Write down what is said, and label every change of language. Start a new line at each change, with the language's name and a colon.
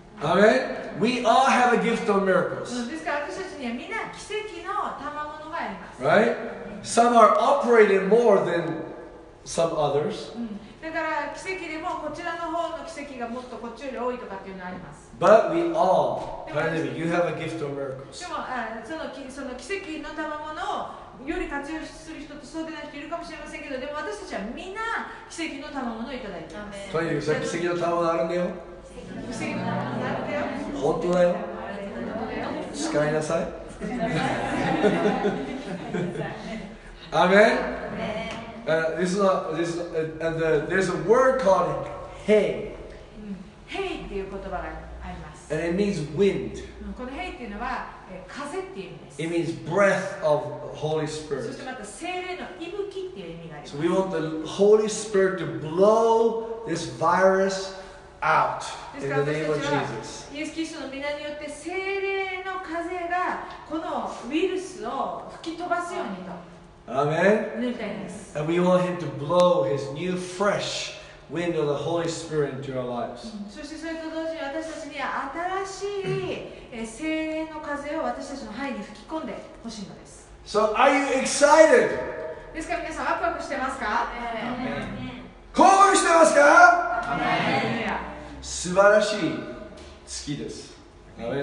English: Amen. We all have a gift of miracles.
Japanese: ですから私たちにはみんな奇跡の賜物があります。
English: Right? Some are operating more than some others.
Japanese: だから奇跡でもこちらの方の奇跡がもっとこっちより多いとかっていうのがあります。
English: But we all, finally, you have a gift of miracles.
Japanese: その奇跡の賜物をより活用する人とそうでない人いるかもしれませんけど、でも私たちはみんな奇跡の賜物をいただいています奇跡の賜物あるんだよ。奇跡の賜物あるんだよ。本当だよ。使いなさい。
English: アメン。There's a word called hey.
Japanese: Hey っていう言葉があります。
English: And it means wind.
Japanese: この hey っていうのは風っていう意味です。
English: It means breath of Holy Spirit.
Japanese: そしてまた聖霊の息吹っていう意味があります。
English: So we want the Holy Spirit to blow this virus out in the name of Jesus.
Japanese: イエス・キリストの皆によって聖霊の風がこのウイルスを吹き飛ばすようにと。
English: Amen.
Japanese: です。
English: And we want him to blow his new fresh. Wind of the Holy Spirit into our lives.
Japanese: そしてそれと同時に私たちには新しい聖霊の風を私たちの肺に吹き込んでほしいのです。
English: So are you excited?
Japanese: ですから皆さんワクワクしてますか？興奮してますか？
English: Amen.
Japanese: 素晴らしい月です。アメン。